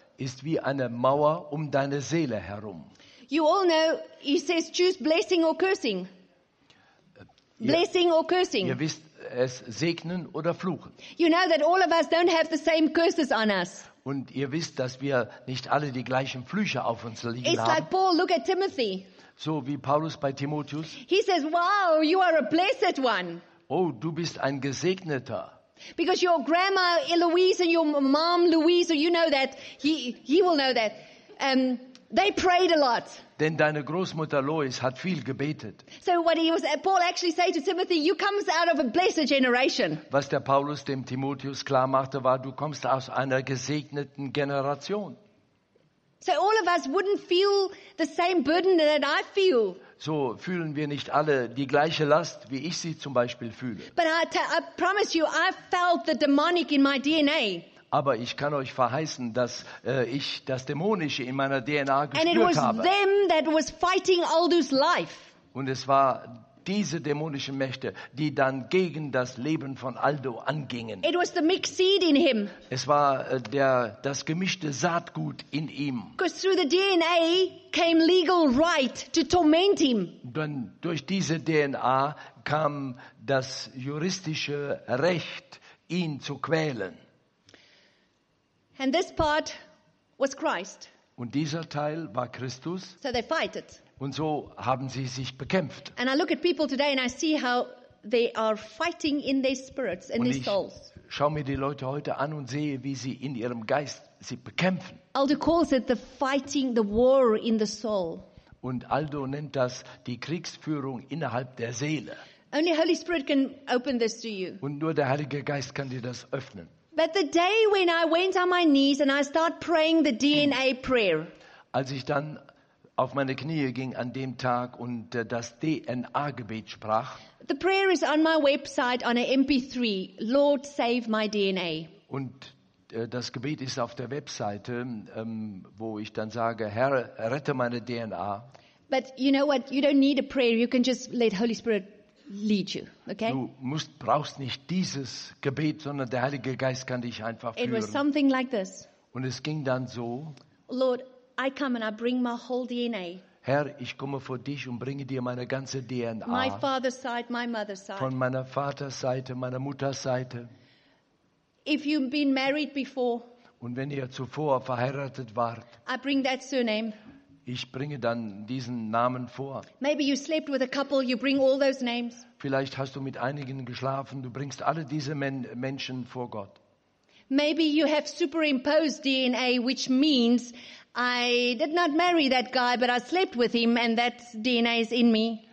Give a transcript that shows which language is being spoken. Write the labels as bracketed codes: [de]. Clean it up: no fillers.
[de] Ist wie eine Mauer um deine Seele herum. [en] You all know, he says, choose blessing or cursing. Blessing or cursing. [de] Ihr wisst es, segnen oder fluchen. [en] You know that all of us don't have the same curses on us. [de] Und ihr wisst, dass wir nicht alle die gleichen Flüche auf uns liegen haben. [en] It's like Paul, look at Timothy. [de] So wie Paulus bei Timotheus. [en] He says, wow, you are a blessed one. [de] Oh, du bist ein Gesegneter. [en] Because your grandma Eloise and your mom Louise, you know that, he will know that. They prayed a lot. [de] Denn deine Großmutter Lois hat viel gebetet. [en] So what he was, Paul actually said to Timothy, you come out of a blessed generation. [de] Was der Paulus dem Timotheus klar machte, war, du kommst aus einer gesegneten Generation. [en] So all of us wouldn't feel the same burden that I feel. [de] So fühlen wir nicht alle die gleiche Last, wie ich sie zum Beispiel fühle. [en] But I promise you, I felt the demonic in my DNA. [de] Aber ich kann euch verheißen, dass ich das Dämonische in meiner DNA gespürt [en] and it was [de] habe. [en] Them that was fighting Aldous life. [de] Und es war diese dämonischen Mächte, die dann gegen das Leben von Aldo angingen. [en] It was the mixed seed in him. [de] Es war das gemischte Saatgut in ihm. [en] Because through the DNA came legal right to torment him. [de] Denn durch diese DNA kam das juristische Recht, ihn zu quälen. [en] And this part was Christ. [de] Und dieser Teil war Christus. [en] So they fight it. [de] Und so haben sie sich bekämpft. [en] And I look at people today and I see how they are fighting in their spirits and their souls. [de] Ich schaue mir die Leute heute an und sehe, wie sie in ihrem Geist sie bekämpfen. [en] Aldo calls it the fighting, the war in the soul. [de] Und Aldo nennt das die Kriegsführung innerhalb der Seele. [en] Only Holy Spirit can open this to you. [de] Und nur der Heilige Geist kann dir das öffnen. [en] But the day when I went on my knees and I start praying the DNA prayer. [de] Als ich dann auf meine Knie ging an dem Tag und das DNA-Gebet sprach. [en] The prayer is on my website on an MP3. Lord, save my DNA. [de] Und das Gebet ist auf der Webseite, wo ich dann sage, Herr, rette meine DNA. [en] But you know what? You don't need a prayer. You can just let Holy Spirit lead you, okay? [de] Du brauchst nicht dieses Gebet, sondern der Heilige Geist kann dich einfach führen. [en] It was something like this. [de] Und es ging dann so. [en] Lord, I come and I bring my whole DNA. [de] Herr, ich komme vor dich und bringe dir meine ganze DNA. [en] My father's side, my mother's side. [de] Von meiner Vaters Seite, meiner Mutters Seite. [en] If you've been married before. [de] Und wenn ihr zuvor verheiratet wart. [en] I bring that surname. [de] Ich bringe dann diesen Namen vor. [en] Maybe you slept with a couple, you bring all those names. [de] Vielleicht hast du mit einigen geschlafen, du bringst alle diese Menschen vor Gott. [en] Maybe you have superimposed DNA, which means I did not marry that guy, but I slept with him and that DNA is in me.